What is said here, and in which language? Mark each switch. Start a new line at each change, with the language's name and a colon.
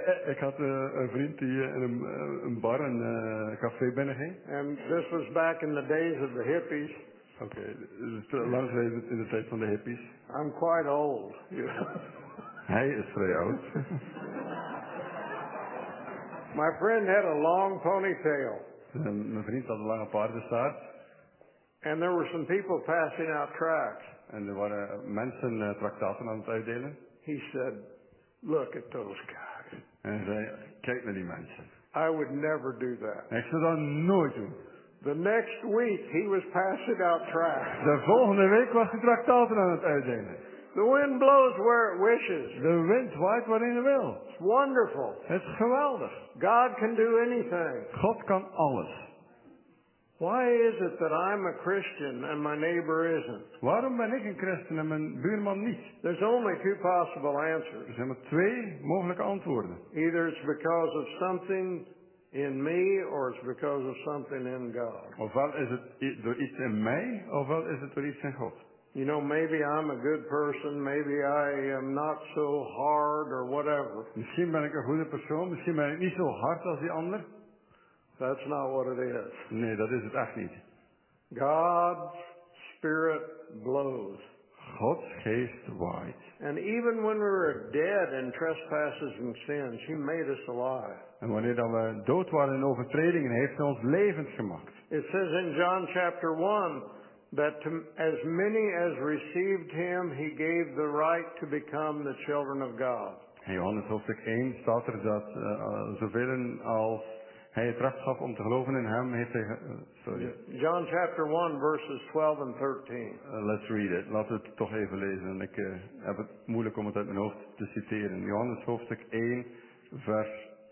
Dutch: Ik had een vriend die in een bar, een café binnenging.
English: And this was back in the days of the hippies.
Dutch: Okay, dus lang geleden in de tijd van de hippies.
English: I'm quite old.
Dutch: Hij is vrij oud.
English: My friend had a long ponytail.
Dutch: Mijn vriend had een lange paardenstaart.
English: And there were some people passing out tracts.
Dutch: En er waren mensen tractaten aan het uitdelen.
English: He said, "Look at those guys."
Dutch: En hij zei, kijk naar die mensen.
English: I would never do that.
Dutch: Ik zou dat nooit doen.
English: The next week he was passing out tracts.
Dutch: De volgende week was hij tractaten aan het uitdelen.
English: The wind blows where it wishes.
Dutch: De wind waait waarin hij wil.
English: It's wonderful.
Dutch: Het is geweldig.
English: God can do anything.
Dutch: God kan alles.
English: Why is it that I'm a Christian and my neighbor isn't?
Dutch: Waarom ben ik een christen en mijn buurman niet?
English: There's only two possible answers.
Dutch: Er zijn maar twee mogelijke antwoorden.
English: Either it's because of something in me or it's because of something in God.
Dutch: Ofwel is het door iets in mij, ofwel is het door iets in God.
English: You know, maybe I'm a good person, maybe I am not so hard or whatever.
Dutch: Misschien ben ik een goede persoon, misschien ben ik niet zo hard als die ander.
English: That's not what it is.
Dutch: Nee, dat is het echt niet.
English: God's spirit blows.
Dutch: Gods geest waait.
English: And even when we were dead in trespasses and sins, he made us alive.
Dutch: En wanneer dan we dood waren in overtredingen, heeft hij ons levend gemaakt.
English: It says in John chapter 1 that to as many as received him, he gave the right to become the children of God.
Dutch: In Johannes hoofdstuk 1 staat er dat zoveel als hij het recht gaf om te geloven in hem, heeft hij,
English: John chapter 1, verses 12 and 13. Let's read it.
Dutch: Laten we het toch even lezen. En ik heb het moeilijk om het uit mijn hoofd te citeren. Johannes hoofdstuk 1, vers